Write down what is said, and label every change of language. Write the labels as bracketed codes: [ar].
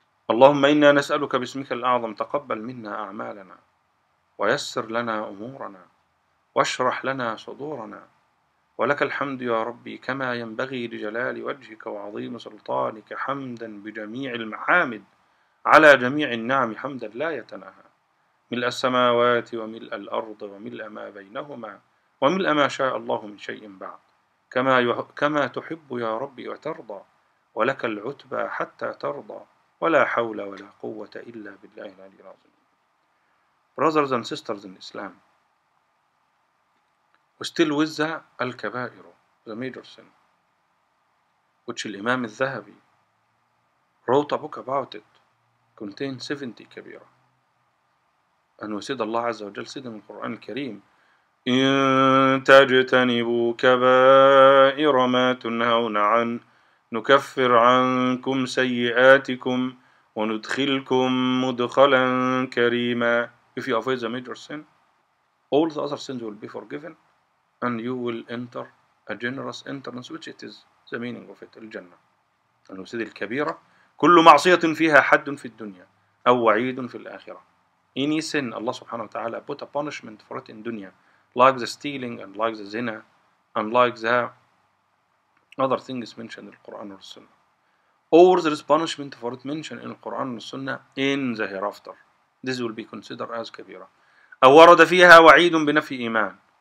[ar] اللهم إنا نسألك باسمك الأعظم تقبل منا أعمالنا ويسر لنا أمورنا واشرح لنا صدورنا ولك الحمد يا ربي كما ينبغي لجلال وجهك وعظيم سلطانك حمدا بجميع المحامد على جميع النعم حمدا لا يتناهى ملء السماوات وملء الأرض وملء ما بينهما وملأ ما شاء الله من شيء بعد كما تحب يا ربي وترضى ولك العتبى حتى ترضى ولا حول ولا قوة إلا بالله العلي العظيم. [en] Brothers and sisters in Islam, we still with the Al-Kaba'ir, the major sin, which the Imam al-Zahabi wrote a book about it, contained 70 kabira. [ar] And we said Allah Azza wa Jal said in the Quran al-Kareem, إن تجتنبوا كبائر ما تنهون عنه نكفر عنكم سيئاتكم وندخلكم مدخلا كريما. [en] If you avoid the major sin, all the other sins will be forgiven and you will enter a generous entrance, which it is the meaning of it, الجنة. [ar] المسجد الكبيرة كل معصية فيها حد في الدنيا أو وعيد في الآخرة. [en] Any sin Allah سبحانه وتعالى put a punishment for it in dunya, like the stealing and like the zina and like the other things mentioned in the Quran or the Sunnah, or there is punishment for it mentioned in the Quran or the Sunnah in the hereafter, this will be considered as kabira. [ar] أو ورد فيها وعيد بنفي إيمان.